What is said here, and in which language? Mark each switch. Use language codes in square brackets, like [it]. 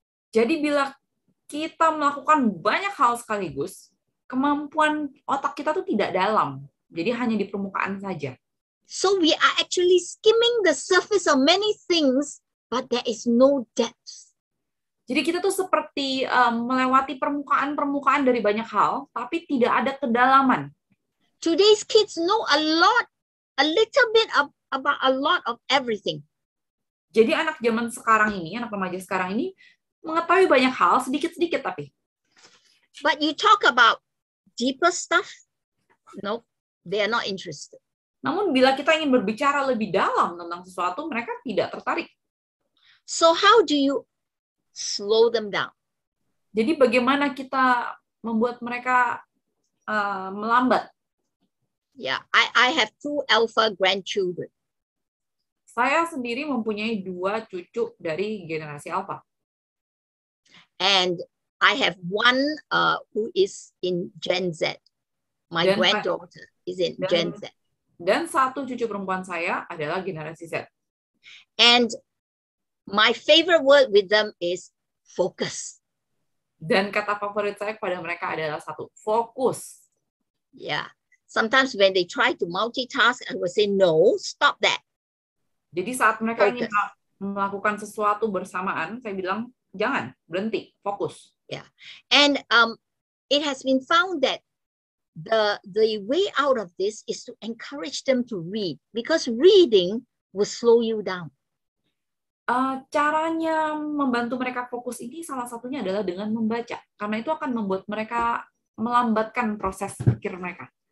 [id] Jadi bila kita melakukan banyak hal sekaligus, kemampuan otak kita tuh tidak dalam. Jadi hanya di permukaan saja. [en] So we are actually skimming the surface of many things, but there is no depth. [id] Jadi kita tuh seperti melewati permukaan-permukaan dari banyak hal, tapi tidak ada kedalaman. [en] Today's kids know a lot, a little bit of about a lot of everything. [id] Jadi anak zaman sekarang ini, anak remaja sekarang ini mengetahui banyak hal sedikit-sedikit tapi. [en] But you talk about deeper stuff? Nope, they are not interested. [id] Namun bila kita ingin berbicara lebih dalam tentang sesuatu, mereka tidak tertarik. [en] So how do you slow them down? [id] Jadi bagaimana kita membuat mereka melambat? [en] Yeah, I have two alpha grandchildren. [id] Saya sendiri mempunyai dua cucu dari generasi alpha. [en] And I have one who is in Gen Z. My dan granddaughter is in Gen Z. [id] Dan satu cucu perempuan saya adalah generasi Z. [en] And my favorite word with them is focus. [id] Dan kata favorit saya kepada mereka adalah satu, fokus. [en] Yeah. Sometimes when they try to multitask, I will say, no, stop that. [id] Jadi saat mereka focus. Ingin melakukan sesuatu bersamaan, saya bilang, jangan, berhenti, fokus. [en] Yeah. And it has been found that the way out of this is to encourage them to read, because reading will slow you down. [id] Caranya membantu mereka fokus ini salah satunya adalah dengan membaca, karena itu akan membuat mereka melambatkan proses pikir mereka.